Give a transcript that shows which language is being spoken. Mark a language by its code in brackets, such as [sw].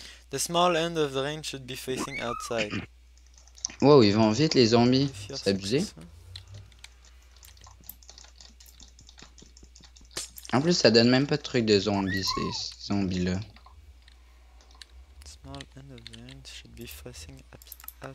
[en] The small end of the range should be facing outside. [fr] Wow, ils vont vite les zombies. [en] If you're [fr] C'est abusé. [en] successful. [fr] En plus, ça donne même pas de truc de zombies, ces zombies-là. [en] Small end of the range should be facing outside.